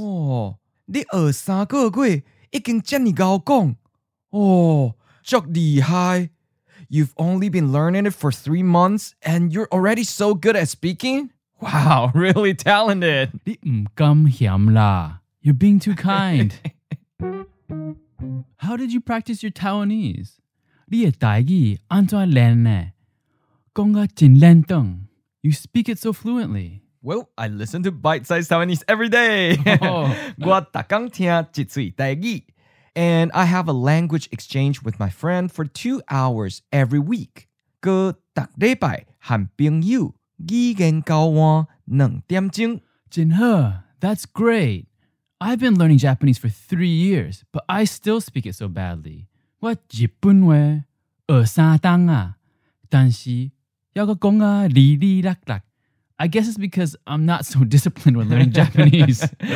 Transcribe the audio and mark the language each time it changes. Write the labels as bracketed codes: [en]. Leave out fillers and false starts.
[nan] 哦，你学三个月，已经这么高讲。哦，足厉害。 [en] You've only been learning it for 3 months, and you're already so good at speaking? Wow, really talented. [nan] 你唔甘嫌啦。 [en] You're being too kind. How did you practice your Taiwanese? [nan] 你的台语安怎练呢？讲个真认真。 [en] You speak it so fluently. Well, I listen to bite-sized Taiwanese every day. [nan] 我逐天听一嘴台语。 [en] And I have a language exchange with my friend for 2 hours every week. [nan] 个逐礼拜和朋友语言交换两点钟。真好 [en] That's great. I've been learning Japanese for 3 years, but I still speak it so badly. [nan] 我日本话学三冬啊，但是要个讲啊哩哩啦啦。 [en] I guess it's because I'm not so disciplined when learning Japanese.